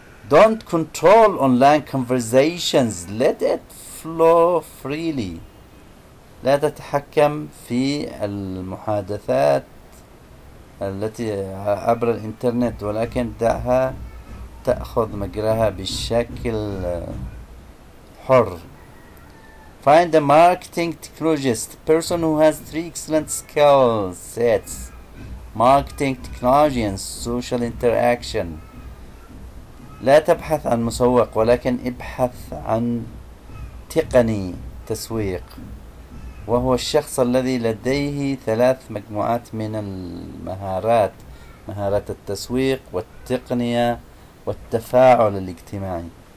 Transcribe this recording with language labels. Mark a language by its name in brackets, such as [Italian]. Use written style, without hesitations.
[English] Don't control online conversations. Let it flow freely. [Arabic] لا تتحكم في المحادثات التي عبر الإنترنت، ولكن دعها تأخذ مجراها بشكل حر. [English] Find a marketing technologist, person who has three excellent skill sets: marketing technology and social interaction. [Arabic] لا تبحث عن مسوق، ولكن ابحث عن تقني تسويق، وهو الشخص الذي لديه ثلاث مجموعات من المهارات: مهارات التسويق والتقنية والتفاعل الاجتماعي.